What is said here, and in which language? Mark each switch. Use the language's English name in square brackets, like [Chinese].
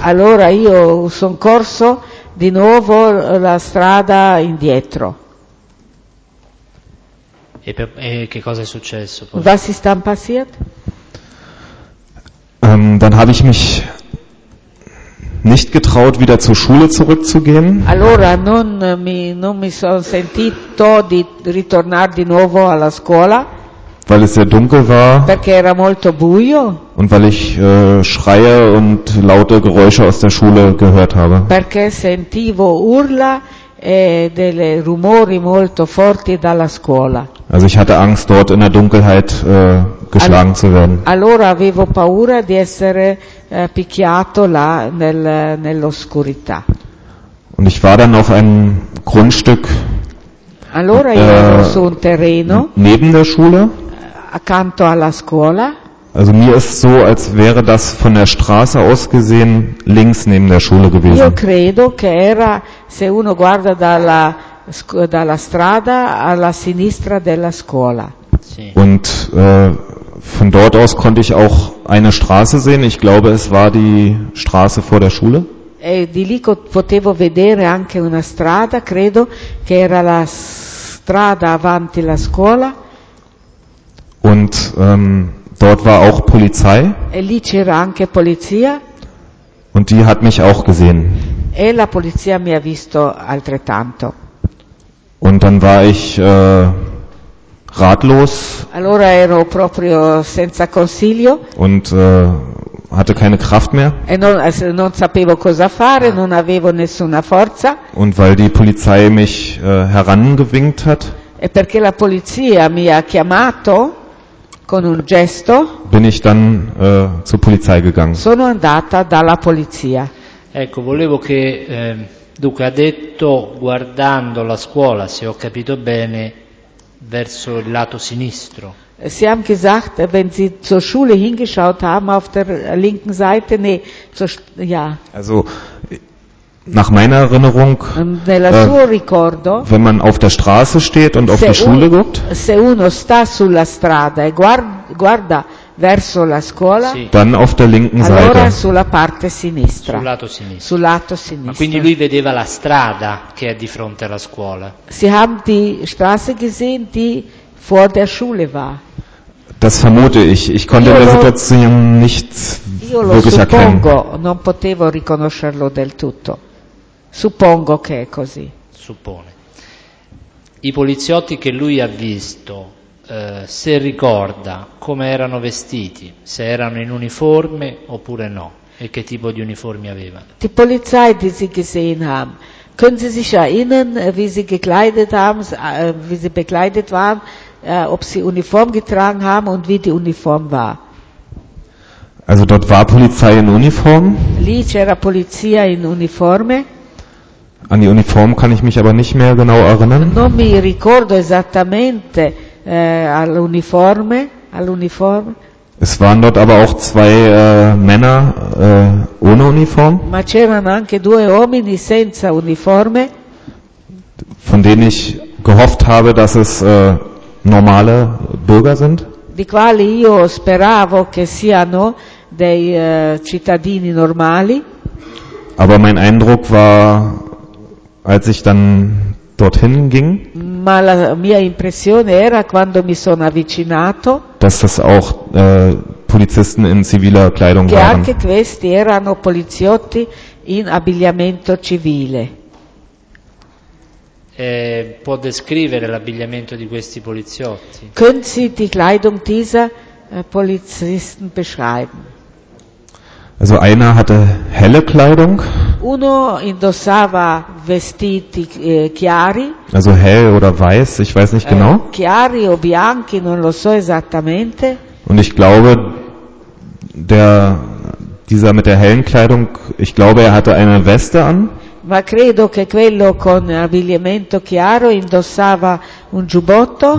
[Italian] Allora io sono corso di nuovo la strada indietro. E che cosa è successo poi? [German] Was ist dann passiert? Dann habe ich mich nicht getraut, wieder zur Schule zurückzugehen. [Italian] Allora non mi sono sentito di ritornare di nuovo alla scuola [German] Weil es sehr dunkel war [Italian] perché era molto buio [German] und weil ich Schreie und laute Geräusche aus der Schule gehört habe. [Italian] perché sentivo urla e dei rumori molto forti dalla scuola. [German] Also ich hatte Angst, dort in der Dunkelheit geschlagen zu werden. [Italian] Allora avevo paura di essere picchiato là nell'oscurità. [German] Und ich war dann auf einem Grundstück [Italian] Allora io ero su un terreno [German] neben der Schule. [Italian] accanto alla scuola. [German] Also mir ist so, als wäre das von der Straße aus gesehen links neben der Schule gewesen. [Italian] Io credo che era, se uno guarda dalla strada, alla sinistra della scuola. [German] Und von dort aus konnte ich auch eine Straße sehen. Ich glaube, es war die Straße vor der Schule. [Italian] E di lì potevo vedere anche una strada, credo che era la strada avanti la scuola. [German] Und dort war auch Polizei. [Italian] E lì c'era anche polizia. [German] Und die hat mich auch gesehen. [Italian] E la polizia mi ha visto altrettanto. [German] Und dann war ich ratlos. [Italian] Allora ero proprio senza consiglio. [German] Und hatte keine Kraft mehr. [Italian] E non, also non sapevo cosa fare, non avevo nessuna forza. [German] Und weil die Polizei mich herangewinkt hat. [Italian] E perché la polizia mi ha chiamato con un gesto. [German] Bin ich dann zur Polizei gegangen. [Italian] Sono andata dalla polizia. Ecco, volevo che dunque ha detto guardando la scuola, se ho capito bene, verso il lato sinistro. [German] Sie haben gesagt, wenn Sie zur Schule hingeschaut haben, auf der linken Seite, nee, zur, ja. Also, nach meiner Erinnerung, [Italian] ricordo, [German] wenn man auf der Straße steht und auf die Schule guckt, [Italian] se uno sta sulla strada e guarda verso la scuola, sì. [German] Dann auf der linken [Italian] allora Sulla parte sinistra. Sul lato sinistro. Sul lato sinistro. Ma quindi lui vedeva la strada che è di fronte alla scuola. [German] Sie haben die Straße gesehen, die vor der Schule war. Das vermute ich. Ich konnte la Situation nicht wirklich erkennen. [Italian] Io lo suppongo, non potevo riconoscerlo del tutto. Suppongo che è così. Suppone. I poliziotti che lui ha visto, se ricorda come erano vestiti, se erano in uniforme oppure no, e che tipo di uniformi avevano. [German] Die Polizei, die sie gesehen haben. Können Sie sich erinnern, wie sie gekleidet haben, wie sie bekleidet waren, ob sie Uniform getragen haben und wie die Uniform war? Also dort war Polizei in Uniform. [Italian] Lì c'era polizia in uniforme. [German] An die Uniform kann ich mich aber nicht mehr genau erinnern. [Italian] Non mi ricordo esattamente all'uniforme, all'uniforme. [German] Es waren dort aber auch zwei Männer ohne Uniform. [Italian] Ma c'erano anche due uomini senza uniforme. [German] Von denen ich gehofft habe, dass es normale Bürger sind. [Italian] Di quali io speravo che siano dei cittadini normali. [German] Aber mein Eindruck war, als ich dann dorthin ging. [Italian] Ma la mia impressione era quando mi sono avvicinato. [German] Dass das auch Polizisten in ziviler Kleidung [Italian] che [German] waren. [Italian] Anche questi erano poliziotti in abbigliamento civile. Può descrivere l'abbigliamento di questi poliziotti? [German] Können Sie die Kleidung dieser Polizisten beschreiben? Also einer hatte helle Kleidung. [Italian] Uno indossava vestiti chiari. [German] Also hell oder weiß, ich weiß nicht genau. [Italian] Chiari o bianchi, non lo so esattamente. [German] Und ich glaube, dieser mit der hellen Kleidung, ich glaube, er hatte eine Weste an. [Italian] Ma credo che quello con abbigliamento chiaro indossava un giubbotto.